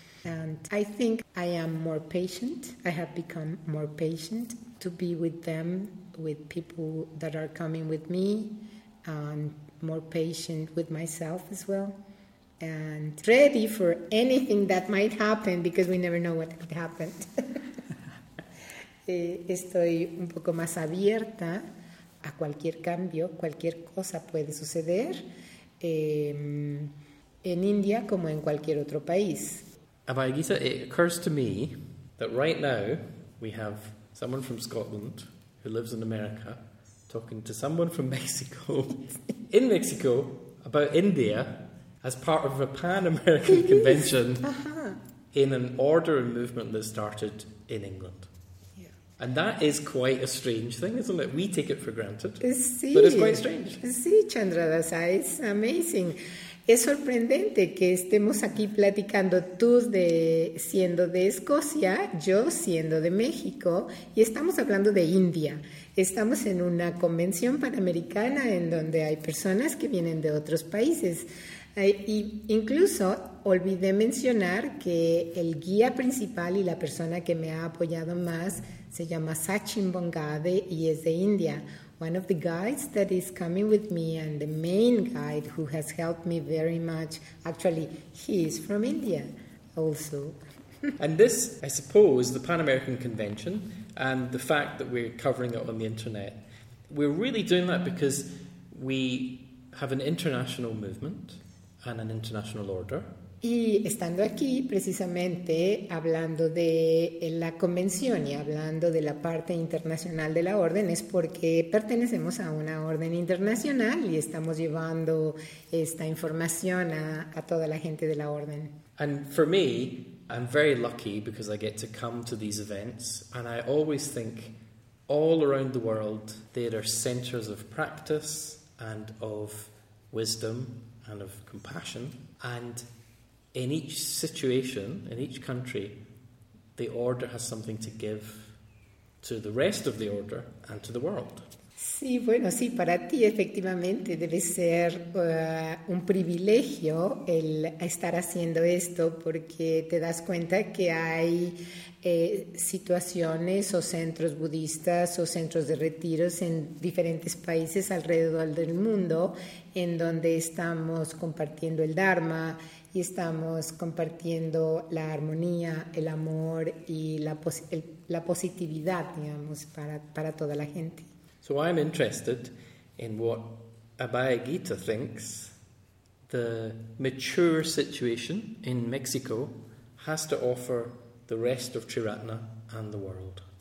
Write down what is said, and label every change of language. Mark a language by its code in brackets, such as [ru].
[en] And I think I am more patient. I have become more patient to be with them, with people that are coming with me, and more patient with myself as well. And ready for anything that might happen, because we never know what could happen. [es] Estoy un poco más abierta a cualquier cambio, cualquier cosa puede suceder en India como en cualquier otro país. [en] Abhayagita, it occurs to me that right now we have someone from Scotland who lives in America talking to someone from Mexico in Mexico about India as part of a Pan-American convention in an order and movement that started in England. And that is quite a strange thing, isn't it? We take it for granted, [es] sí, [en] but it's quite strange. Sí, Chandradasa, it's amazing. [es] Es sorprendente que estemos aquí platicando tú siendo de Escocia, yo siendo de México, y estamos hablando de India. Estamos en una convención panamericana en donde hay personas que vienen de otros países. Y incluso olvidé mencionar que el guía principal y la persona que me ha apoyado más se llama Sachin Bongade y es de India. [en] One of the guides that is coming with me and the main guide who has helped me very much, actually, he is from India also. And this, I suppose, the Pan-American Convention and the fact that we're covering it on the internet, we're really doing that because we have an international movement and an international order. [es] Y estando aquí, precisamente hablando de la convención y hablando de la parte internacional de la orden, es porque pertenecemos a una orden internacional y estamos llevando esta información a toda la gente de la orden. [en] And for me, I'm very lucky because I get to come to these events, and I always think all around the world there are centers of practice and of wisdom and of compassion. And in each situation, in each country, the order has something to give to the rest of the order and to the world. [es] Sí, bueno, sí, para ti efectivamente debe ser un privilegio el estar haciendo esto porque te das cuenta que hay situaciones o centros budistas o centros de retiros en diferentes países alrededor del mundo en donde estamos compartiendo el Dharma y estamos compartiendo la armonía, el amor y la positividad, digamos, para toda la gente. [en] So I'm interested in what Abhaya Gita thinks the mature situation in Mexico has to offer the rest of Triratna and the world.